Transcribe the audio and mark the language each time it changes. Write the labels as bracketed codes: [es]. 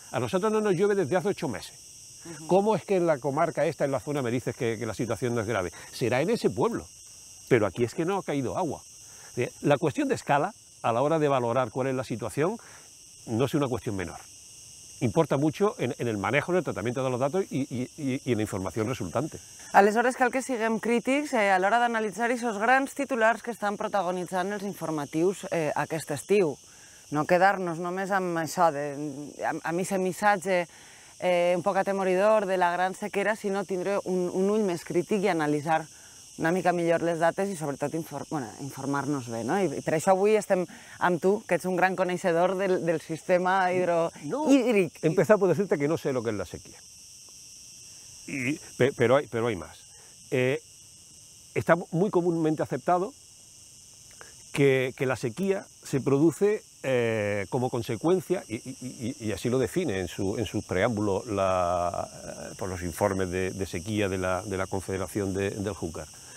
[es] A nosotros no nos llueve desde hace 8 meses. Uh-huh. ¿Cómo es que en la comarca esta, en la zona, me dices que la situación no es grave? Será en ese pueblo, pero aquí es que no ha caído agua. La cuestión de escala, a la hora de valorar cuál es la situación, no es una cuestión menor. Importa mucho en el manejo, en el tratamiento de los datos y en la información resultante. [ca] Aleshores, cal que siguem crítics a l'hora d'analitzar esos grans titulars que estan protagonitzant els informatius aquest estiu. No quedar-nos només amb això, amb ese missatge un poc atemoridor de la gran sequera, sinó tindre un ull més crític i analitzar una mica millor les dates i sobretot informar-nos bé. No? I per això avui estem amb tu, que ets un gran coneixedor del sistema hídric. [es] No, empezar por decirte que no sé lo que es la sequía. Pero hay más. Está muy comúnmente aceptado que la sequía se produce como consecuencia, y así lo define en su preámbulo por los informes de sequía de la Confederación del Júcar.